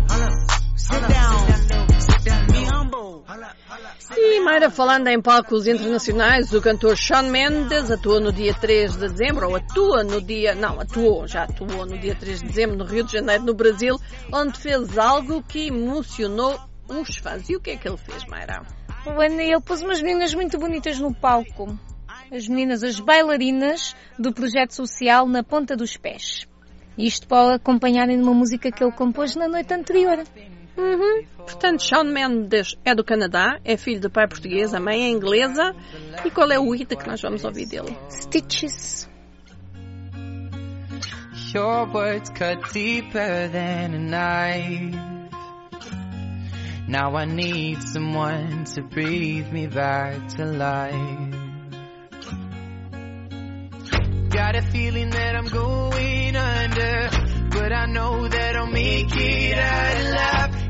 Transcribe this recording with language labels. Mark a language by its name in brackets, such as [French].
[English] Hold up. Sit down. Be humble. Hold up. [Portuguese] E, Mayra, falando em palcos internacionais, o cantor Shawn Mendes atua no dia 3 de dezembro, atuou no dia 3 de dezembro no Rio de Janeiro, no Brasil, onde fez algo que emocionou os fãs. E o que é que ele fez, Mayra? Ele pôs umas meninas muito bonitas no palco. As meninas, as bailarinas do projeto social Na Ponta dos Pés. Isto para acompanharem numa música que ele compôs na noite anterior. Portanto, Shawn Mendes é do Canadá, é filho de pai português, a mãe é inglesa. E qual é o hit que nós vamos ouvir dele? [English] Stitches. Your words cut deeper than a knife. Now I need someone to breathe me back to life. Got a feeling that I'm going under, but I know that I'll make it out alive.